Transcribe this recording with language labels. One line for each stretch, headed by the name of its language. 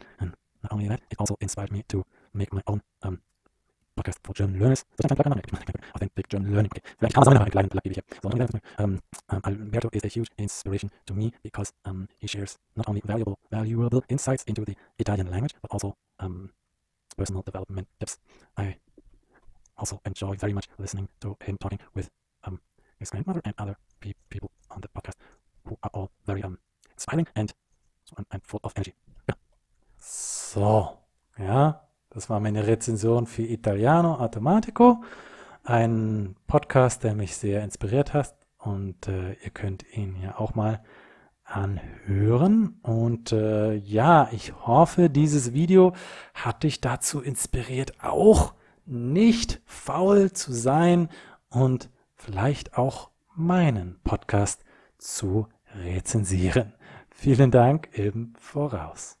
English: And not only that, it also inspired me to make my own podcast for German learners. Authentic German learning.
German: Okay, vielleicht kann man es auch noch einen kleinen Plug geben hier.
English: Alberto is a huge inspiration to me because he shares not only valuable insights into the Italian language, but also personal development tips. I also enjoy very much listening to him talking with his grandmother and other people on the podcast who are all very smiling and so on and full of energy.
German: So, ja, das war meine Rezension für Italiano Automatico, ein Podcast, der mich sehr inspiriert hat und ihr könnt ihn ja auch mal anhören. Und ja, ich hoffe, dieses Video hat dich dazu inspiriert, auch nicht faul zu sein und vielleicht auch meinen Podcast zu rezensieren. Vielen Dank im Voraus.